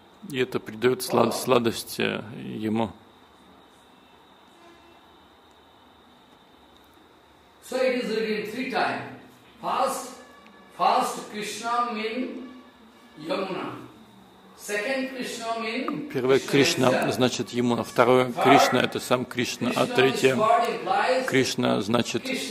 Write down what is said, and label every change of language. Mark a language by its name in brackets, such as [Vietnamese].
[Russian] и это придает сладость ему. [English] So it is repeated three times. First Krishna means Yamuna. Second Krishna means. [Russian] Первое Кришна значит Ямуна, второе Кришна это сам Кришна, а третье Кришна значит.